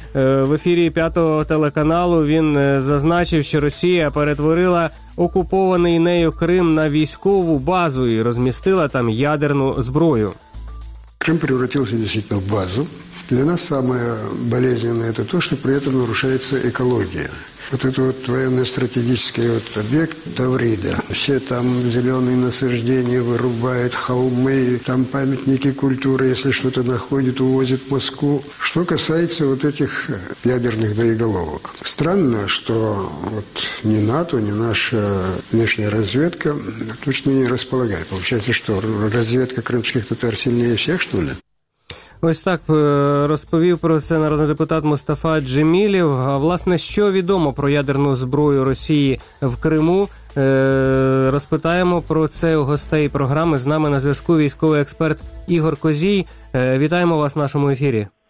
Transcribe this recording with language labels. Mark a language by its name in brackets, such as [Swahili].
[Ukrainian] В ефірі п'ятого телеканалу він зазначив, що Росія перетворила окупований нею Крим на військову базу і розмістила там ядерну зброю. Крим перетворився дійсно в базу. Для нас саме болезненне це те, що при цьому нарушається екологія. [Russian] Вот это вот военно-стратегический вот объект Таврида. Все там зеленые насаждения вырубают, холмы, там памятники культуры, если что-то находят, увозят в Москву. Что касается вот этих ядерных боеголовок. Странно, что вот ни НАТО, ни наша внешняя разведка точно не располагает. Получается, что разведка крымских татар сильнее всех, что ли? [Ukrainian] Ось так розповів про це народний депутат Мустафа Джемілєв. А власне, що відомо про ядерну зброю Росії в Криму? Розпитаємо про це у гостей програми. З нами на зв'язку військовий експерт Ігор Козій. Вітаємо вас в нашому ефірі.